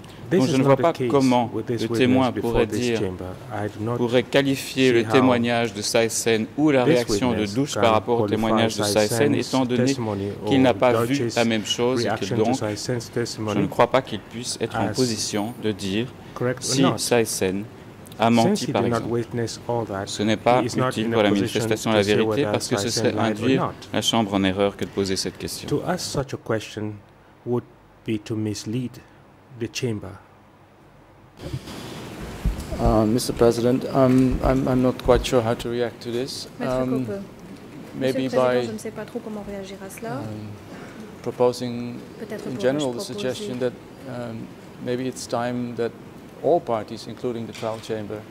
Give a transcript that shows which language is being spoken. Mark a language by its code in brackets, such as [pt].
[fr] Donc je ne vois pas comment le témoin pourrait dire, pourrait qualifier le témoignage de Sai Sen ou la réaction de Duyck par rapport au témoignage de Sai Sen, étant donné qu'il n'a pas vu la même chose et que donc je ne crois pas qu'il puisse être en position de dire si Sai Sen a menti par exemple. Ce n'est pas utile pour la manifestation de la vérité parce que ce serait induire la Chambre en erreur que de poser cette question. [en] To ask such a question would be to mislead the chamber. Mr. President, I'm not quite sure how to react to this. Maybe by [fr] je ne sais pas trop comment réagir à cela. [en] Proposing in general the suggestion that maybe it's time that all parties, including the trial chamber,